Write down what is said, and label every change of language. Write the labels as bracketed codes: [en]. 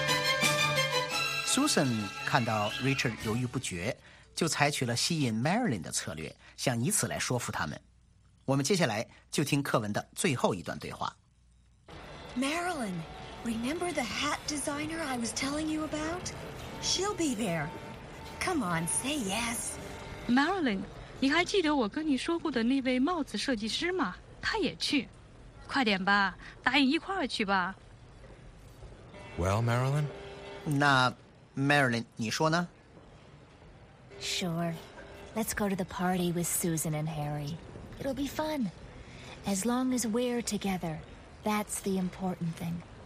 [zh] 我们大概或者可能已经有安排了。Susan 看到 Richard 犹豫不决，就采取了吸引 Marilyn 的策略，想以此来说服他们。我们接下来就听课文的最后一段对话。Marilyn, [en] remember the hat designer I was telling you about? She'll be there. Come on, say yes. [zh] Marilyn, 你还记得我跟你说过的那位帽子设计师吗? 他也去。快点吧，答应一块儿去吧。Well, [en] Marilyn? [zh] 那 Marilyn, 你说呢? [en] Sure. Let's go to the party with Susan and Harry. It'll be fun. As long as we're together, that's the important thing.